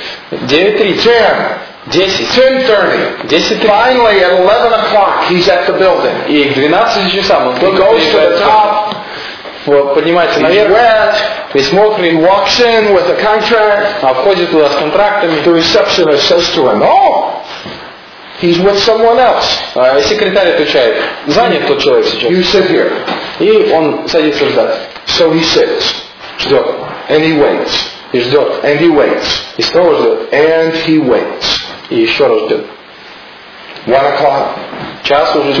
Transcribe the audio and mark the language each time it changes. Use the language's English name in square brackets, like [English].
[English] 9:30. 10:30. Finally, at 11 o'clock, he's at the building. [Russian] И к 12 часам он [English] goes to the top. [Russian] Поднимается наверх. [English] Wet, [Russian] весь мокрый. [English] He walks in with a contract. [Russian] Входит туда с контрактами. [English] The receptionist says to him, "Oh, he's with someone else." [Russian] Секретарь отвечает: "Занят тот человек сейчас." [English] You sit here. [Russian] И он садится ждать. [English] So he sits. [Russian] Ждет. [English] And he waits. [Russian] И ждет. [English] And he waits. [Russian] И снова ждет. [English] And he waits. [Russian] И еще раз ждет. [English] 1 o'clock. [Russian] Час уже.